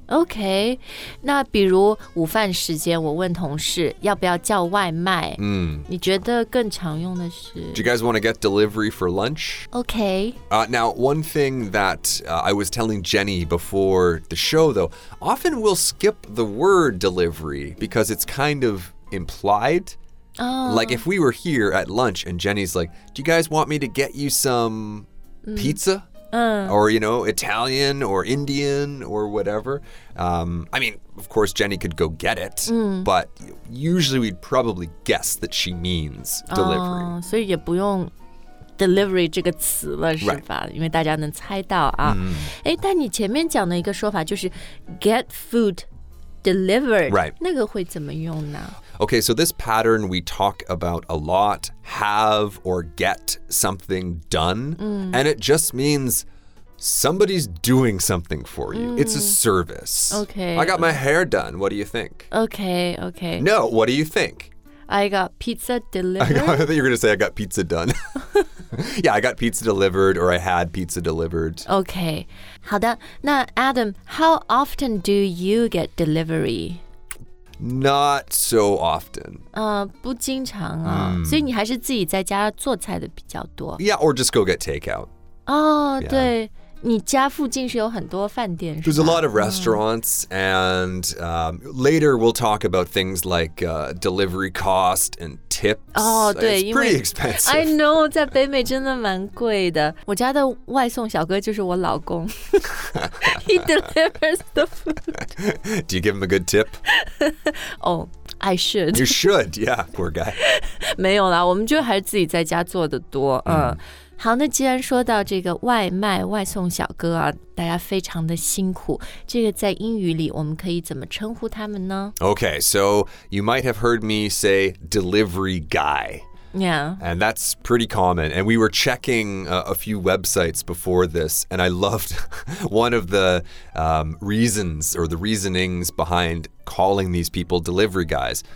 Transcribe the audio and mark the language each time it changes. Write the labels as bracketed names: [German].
[Chinese] Okay， 那比如午饭时间，我问同事要不要叫外卖。嗯、mm. ，你觉得更常用的是 [English] ？Do you guys want to get delivery for lunch? Okay. Now one thing that、I was telling Jenny before the show, though, often we'll skip the word delivery because it's kind of implied. Like if we were here at lunch and Jenny's like, "Do you guys want me to get you some pizza?" Or, you know, Italian or Indian or whatever. I mean, of course, Jenny could go get it.、 Mm. But usually we'd probably guess that she means delivery. [Chinese] 所以也不用 delivery 这个词了是吧、right. 因为大家能猜到啊、 mm. 诶但你前面讲的一个说法就是 get food delivered、 [English] right. [Chinese] 那个会怎么用呢？ [English] Okay, so this pattern we talk about a lot, have or get something done,、 mm. and it just means somebody's doing something for you.、 Mm. It's a service. Okay. I got my hair done. What do you think? Okay, okay. No, what do you think? I got pizza delivered. I thought you were going to say I got pizza done. Yeah, I got pizza delivered or I had pizza delivered. Okay. [Chinese] 好的，那 [English] Adam, how often do you get delivery? Not so often. [Chinese] 不经常啊。所以你还是自己在家做菜的比较多。 [English] Yeah, or just go get takeout. [Chinese] 对。你家附近是有很多饭店是吧? [English] There's a lot of restaurants, and later we'll talk about things like delivery cost and tips. [Chinese] 对。 [English] It's pretty expensive. I know, [Chinese] 在北美真的蛮贵的。我家的外送小哥就是我老公。 [English] He delivers the food. Do you give him a good tip? Oh, I should. You should, yeah, poor guy. [Chinese] 没有啦，我们就还是自己在家做的多。好，那既然说到这个外卖外送小哥啊，大家非常的辛苦，这个在英语里我们可以怎么称呼他们呢？ [English] Okay, so you might have heard me say delivery guy. Yeah. And that's pretty common. And we were checking a few websites before this, and I loved one of the reasons or the reasonings behind calling these people delivery guys.